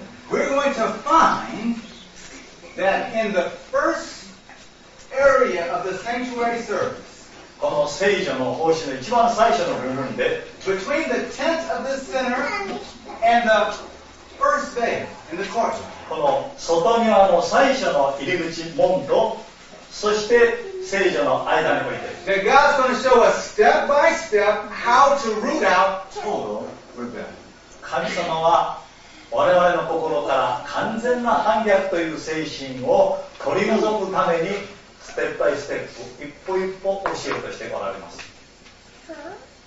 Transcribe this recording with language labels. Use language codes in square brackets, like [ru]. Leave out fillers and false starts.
[en] We're going to find that in the first area of the sanctuary service, [ja] この聖所の奉仕の一番最初の部分で、 [en] between the tent of the sinner and the first veil in the court, [ja] この外庭の最初の入り口門と、そして聖所の間において、 [en] that God's going to show us step by step how to root out total rebellion. [ja] 神様は我々の心から完全な反逆という精神を取り除くためにステップバイステップ一歩一歩教えようとしておられます。